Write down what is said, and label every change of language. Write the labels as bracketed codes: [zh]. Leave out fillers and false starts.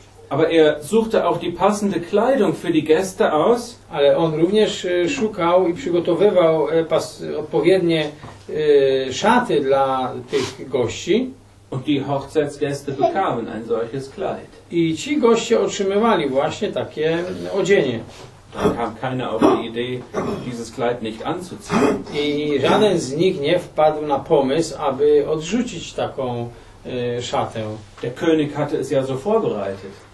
[de] Aber er suchte auch die passende Kleidung für die Gäste aus. [pl] Ale on również szukał i przygotowywał odpowiednie szaty dla tych gości. [de] Und die Hochzeitsgäste bekamen ein solches Kleid. [pl] I ci goście otrzymywali właśnie takie odzienie. [de] Dann kam keiner auf die Idee, dieses Kleid nicht anzuziehen. [pl] I żaden z nich nie wpadł na pomysł, aby odrzucić taką szatę. [de] Der König hatte es ja so vorbereitet.